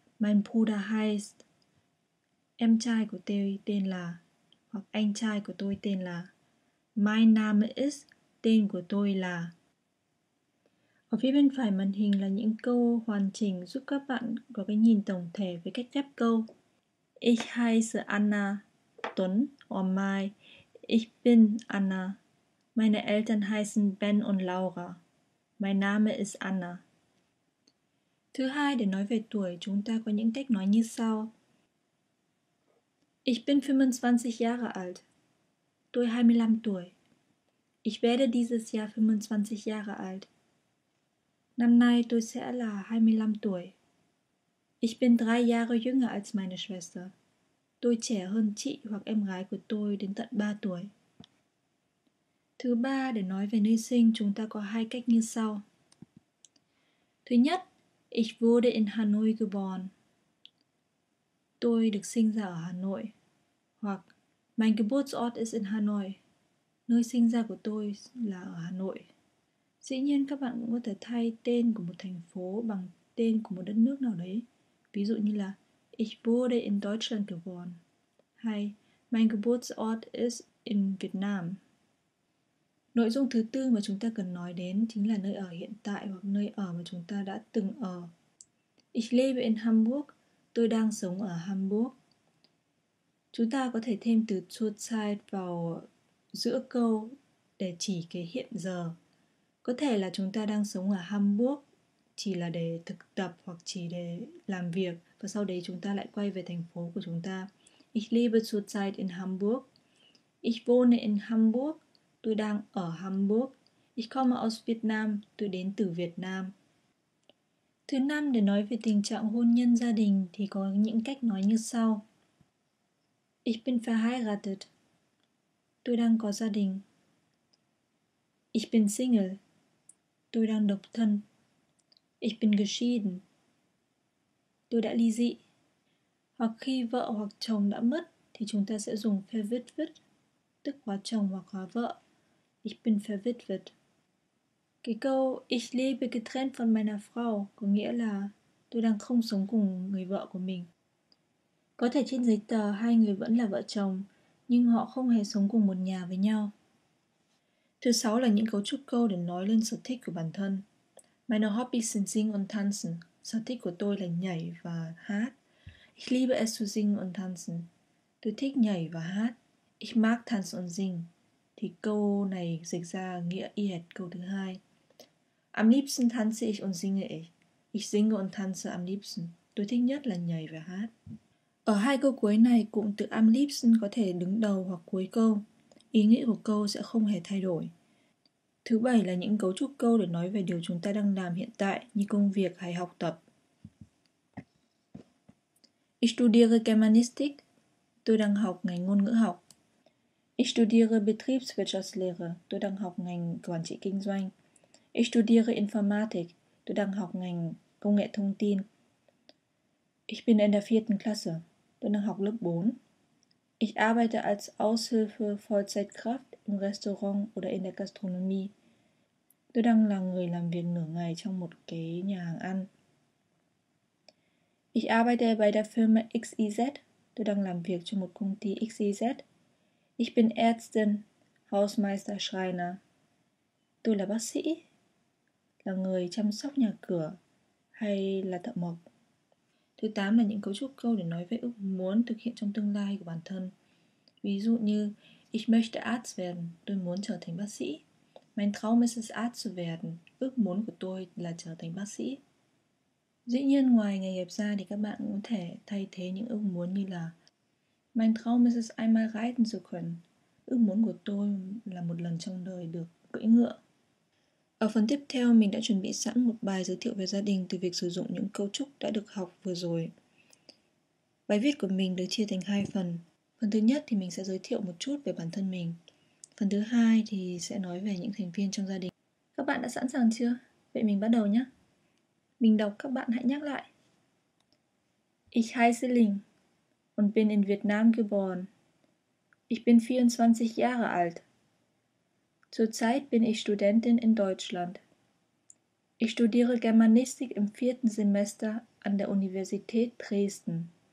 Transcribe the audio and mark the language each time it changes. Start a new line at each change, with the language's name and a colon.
German: Mein Bruder heißt.
Vietnamese: Em trai của tôi tên là. Hoặc anh trai của tôi tên là.
German: Mein Name ist.
Vietnamese: Tên của tôi là. Ở phía bên phải màn hình là những câu hoàn chỉnh giúp các bạn có cái nhìn tổng thể với cách ghép câu.
German: Ich heiße Anna, Tuấn, or Mai. Ich bin Anna. Meine Eltern heißen Ben und Laura. Mein Name ist Anna.
Vietnamese: Thứ hai, để nói về tuổi, chúng ta có những cách nói như sau.
German: Ich bin 25 Jahre alt.
Vietnamese: Tôi 25 tuổi.
German: Ich werde dieses Jahr 25 Jahre alt.
Vietnamese: Năm nay tôi sẽ là 25 tuổi.
German: Ich bin 3 Jahre jünger als meine Schwester.
Vietnamese: Tôi trẻ hơn chị hoặc em gái của tôi đến tận 3 tuổi. Thứ ba, để nói về nơi sinh, chúng ta có hai cách như sau. Thứ nhất,
German: ich wurde in Hanoi geboren.
Vietnamese: Tôi được sinh ra ở Hà Nội.
German: Hoặc, mein Geburtsort ist in Hanoi.
Vietnamese: Nơi sinh ra của tôi là ở Hà Nội. Dĩ nhiên các bạn cũng có thể thay tên của một thành phố bằng tên của một đất nước nào đấy. Ví dụ như là
German: Ich wurde in Deutschland geboren. Hay Mein Geburtsort ist in Vietnam.
Vietnamese: Nội dung thứ tư mà chúng ta cần nói đến chính là nơi ở hiện tại hoặc nơi ở mà chúng ta đã từng ở.
German: Ich lebe in Hamburg.
Vietnamese: Tôi đang sống ở Hamburg. Chúng ta có thể thêm từ zurzeit vào giữa câu để chỉ cái hiện giờ. Có thể là chúng ta đang sống ở Hamburg chỉ là để thực tập hoặc chỉ để làm việc và sau đấy chúng ta lại quay về thành phố của chúng ta.
German: Ich lebe zurzeit in Hamburg. Ich wohne in Hamburg.
Vietnamese: Tôi đang ở Hamburg.
German: Ich komme aus Vietnam.
Vietnamese: Tôi đến từ Việt Nam. Thứ năm, để nói về tình trạng hôn nhân gia đình thì có những cách nói như sau.
German: Ich bin verheiratet.
Vietnamese: Tôi đang có gia đình.
German: Ich bin single.
Vietnamese: Tôi đang độc thân.
German: Ich bin geschieden.
Vietnamese: Tôi đã ly dị. Hoặc khi vợ hoặc chồng đã mất thì chúng ta sẽ dùng verwitwet, tức hóa chồng hoặc hóa vợ.
German: Ich bin verwitwet.
Vietnamese: Cái câu
German: Ich lebe getrennt von meiner Frau
Vietnamese: có nghĩa là tôi đang không sống cùng người vợ của mình. Có thể trên giấy tờ hai người vẫn là vợ chồng nhưng họ không hề sống cùng một nhà với nhau. Thứ sáu là những cấu trúc câu để nói lên sở thích của bản thân.
German: Meine Hobbys sind singen und tanzen.
Vietnamese: Sở thích của tôi là nhảy và hát.
German: Ich liebe es zu singen und tanzen.
Vietnamese: Tôi thích nhảy và hát.
German: Ich mag tanzen und singen.
Vietnamese: Thì câu này dịch ra nghĩa y hệt câu thứ hai.
German: Am liebsten tanze ich und singe ich. Ich singe und tanze am liebsten.
Vietnamese: Tôi thích nhất là nhảy và hát. Ở hai câu cuối này, cụm từ am liebsten có thể đứng đầu hoặc cuối câu. Ý nghĩa của câu sẽ không hề thay đổi. Thứ bảy là những cấu trúc câu để nói về điều chúng ta đang làm hiện tại như công việc hay học tập.
German: Ich studiere Germanistik.
Vietnamese: Tôi đang học ngành ngôn ngữ học.
German: Ich studiere Betriebswirtschaftslehre.
Vietnamese: Tôi đang học ngành quản trị kinh doanh.
German: Ich studiere Informatik.
Vietnamese: Tôi đang học ngành công nghệ thông tin.
German: Ich bin in der vierten Klasse.
Vietnamese: Tôi đang học lớp 4.
German: Ich arbeite als Aushilfe Vollzeitkraft im Restaurant oder in der Gastronomie.
Vietnamese: Tôi đang là người làm việc nửa ngày trong một cái nhà hàng ăn.
German: Ich arbeite bei der Firma XYZ.
Vietnamese: Tôi đang làm việc cho một công ty XYZ.
German: Ich bin Ärztin, Hausmeister, Schreiner.
Vietnamese: Tôi là bác sĩ, là người chăm sóc nhà cửa hay là thợ mộc. Thứ 8 là những cấu trúc câu để nói về ước muốn thực hiện trong tương lai của bản thân. Ví dụ như
German: Ich möchte Arzt werden.
Vietnamese: Tôi muốn trở thành bác sĩ.
German: Mein Traum ist es, Arzt zu werden.
Vietnamese: Ước muốn của tôi là trở thành bác sĩ. Dĩ nhiên, ngoài nghề nghiệp ra thì các bạn cũng có thể thay thế những ước muốn như là
German: Mein Traum ist es, einmal reiten zu können.
Vietnamese: Ước muốn của tôi là một lần trong đời được cưỡi ngựa. Ở phần tiếp theo, mình đã chuẩn bị sẵn một bài giới thiệu về gia đình từ việc sử dụng những cấu trúc đã được học vừa rồi. Bài viết của mình được chia thành hai phần. Phần thứ nhất thì mình sẽ giới thiệu một chút về bản thân mình. Phần thứ hai thì sẽ nói về những thành viên trong gia đình. Các bạn đã sẵn sàng chưa? Vậy mình bắt đầu nhé. Mình đọc, các bạn hãy nhắc lại.
German: Ich heiße Linh und bin in Vietnam geboren. Ich bin 24 Jahre alt. Zurzeit bin ich Studentin in Deutschland. Ich studiere Germanistik im vierten Semester an der Universität Dresden.